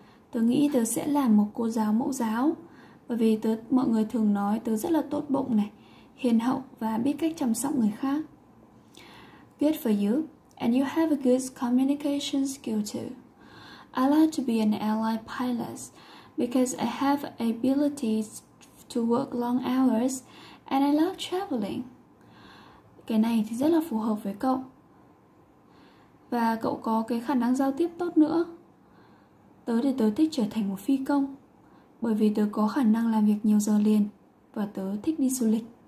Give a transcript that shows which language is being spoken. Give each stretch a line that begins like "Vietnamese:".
Vietnamese: Tôi nghĩ tôi sẽ làm một cô giáo mẫu giáo bởi vì mọi người thường nói tớ rất là tốt bụng này, hiền hậu và biết cách chăm sóc người khác.
English: Good for you, and you have a good communication skill too. I like to be an ally pilot because I have abilities to work long hours and I love traveling.
Vietnamese: Cái này thì rất là phù hợp với cậu. Và cậu có cái khả năng giao tiếp tốt nữa. Tớ thì tớ thích trở thành một phi công bởi vì tớ có khả năng làm việc nhiều giờ liền và tớ thích đi du lịch.